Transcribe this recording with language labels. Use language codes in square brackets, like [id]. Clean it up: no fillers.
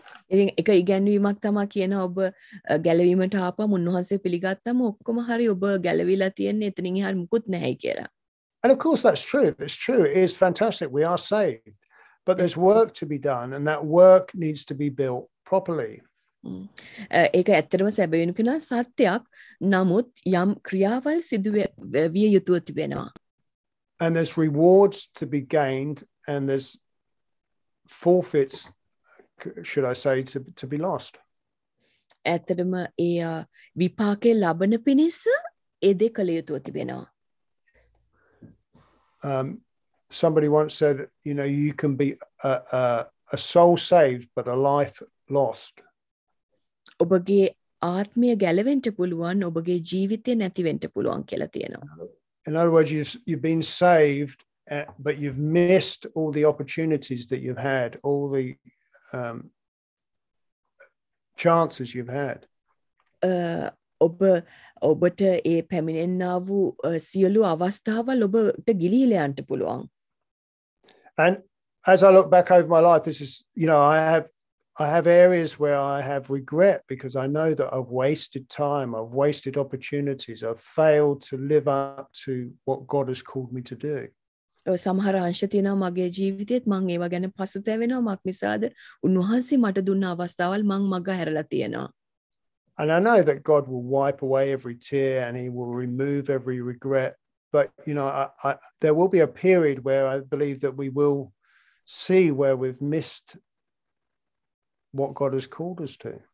[si] එක ඉගැන්වීමක් තමයි කියන ඔබ ගැලවීමට ආපම උන්වහන්සේ පිළිගත්තම ඔක්කොම හරි ඔබ ගැලවිලා තියන්නේ එතනින් එහාට මුකුත් නැහැ කියලා. [en] And of course that's true, it's true, it is fantastic, we are saved, but there's work to be done and that work needs to be built properly. [si] ඒක ඇත්තටම සැබවින් කියලා සත්‍යයක් නමුත් යම් ක්‍රියාවල් සිදු විය යුතුව තිබෙනවා [en] and there's rewards to be gained and there's forfeits should I say to be lost [si] ඇත්තටම ඒ විපාකේ ලබන පිණිස ඒ දෙක ලිය යුතුව තිබෙනවා [en] somebody once said you know you can be a soul saved but a life lost [si] ඔබගේ ආත්මය ගැලවෙන්න පුළුවන් ඔබගේ ජීවිතය නැති වෙන්න පුළුවන් කියලා තියෙනවා. [en] In other words, you've been saved, but you've missed all the opportunities that you've had, all the chances you've had. [si] ඔබට ඒ පැමිණෙන්න වූ සියලු අවස්ථාවල් ඔබට ගිලිහිලා යන්න පුළුවන්. [en] And as I look back over my life, this is, you know, I have areas where I have regret because I know that I've wasted time, I've wasted opportunities, I've failed to live up to what God has called me to do. [si] සමහර අංශ තියෙනවා මගේ ජීවිතෙත් මං ඒව ගැන පසුතැවෙනවා මක් නිසාද උන්වහන්සේ මට දුන්න අවස්ථාවල් මං මග හැරලා තියෙනවා. [en] And I know that God will wipe away every tear and he will remove every regret, but you know I there will be a period where I believe that we will see where we've missed what God has called us to.